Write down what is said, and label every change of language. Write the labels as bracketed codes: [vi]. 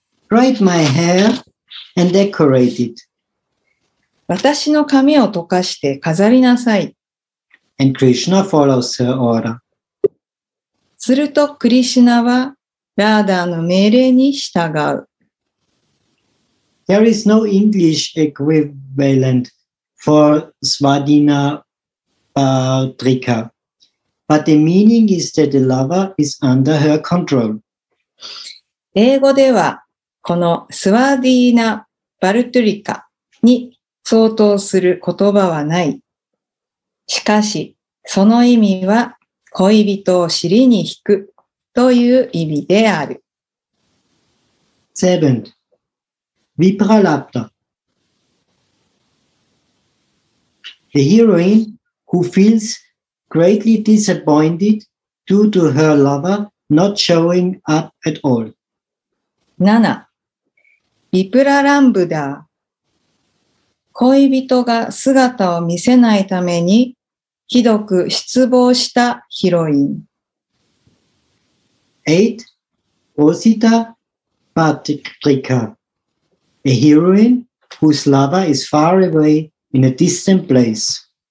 [en] Write my hair and decorate it. [ja] 私の髪を溶かして飾りなさい。 [en] And Krishna follows her order. [ja] するとクリシュナはラーダの命令に従う。 [en] There is no English equivalent for Svadina Bhadrika, but the meaning is that the lover is under her control. [ja] 英語ではこのスワディーナ・バルトゥリカに相当する言葉はない。しかしその意味は恋人を尻に引くという意味である。 [en] Seventh, Vipralapta. The heroine who feels greatly disappointed due to her lover not showing up at all. 7. Vipralambda. [ja] 恋人が姿を見せないためにひどく失望したヒロイン。 [en] 8. Osita Bhadrika, a heroine whose lover is far away in a distant place.